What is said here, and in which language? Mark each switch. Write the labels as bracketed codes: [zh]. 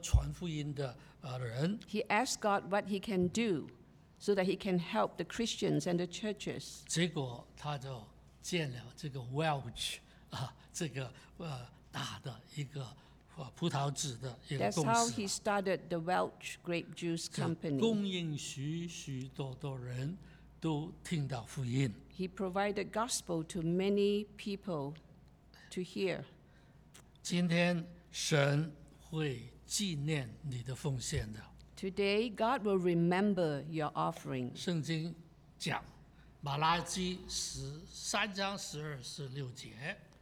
[zh] 他说神啊，你帮助我，我要做一些东西，帮助教会，也能够帮助许多传福音的人。 [en] He asked God what he can do, so that he can help the Christians and the churches. [zh] 结果他就建了这个 Welch 啊，这个大的一个。 [en] That's how he started the Welch Grape Juice Company. [zh] 供应许许多多人都听到福音。 [en] He provided gospel to many people to hear. [zh] 今天神会纪念你的奉献的。 [en] Today God will remember your offering. [zh] 圣经讲马拉基十三章十二十六节。